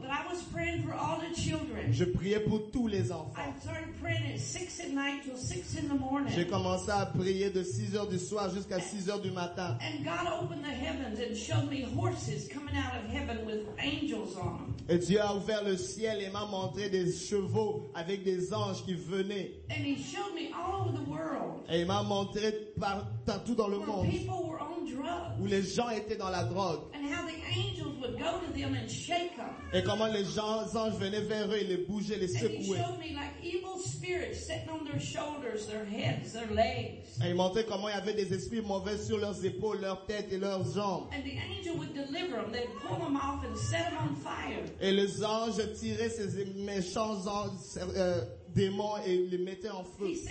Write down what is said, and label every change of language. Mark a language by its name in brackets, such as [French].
[English] But I was praying for all the children. [French] Je priais pour tous les enfants. [English] I started praying at 6 at night till 6 in the morning. [French] J'ai commencé à prier de 6 heures du soir jusqu'à 6 heures du matin. [English] And God opened the heavens and showed me horses coming out of heaven with angels on them. [French] Et Dieu a ouvert le ciel et m'a montré des chevaux avec des anges qui venaient. [English] And he showed me all over the world. [French] Et il m'a montré partout dans le monde. [English] Where people were on drugs. [French] Où les gens étaient dans la drogue. [English] And how the angels would go to them and shake them. [French] Et comment les anges venaient vers eux et les bougeaient, les secouaient. [English] And he showed me like evil spirits sitting on their shoulders, their heads, their legs. [French] Et il montrait comment il y avait des esprits mauvais sur leurs épaules, leur tête et leurs jambes. Et les anges tiraient ces méchants démons et les mettaient en feu.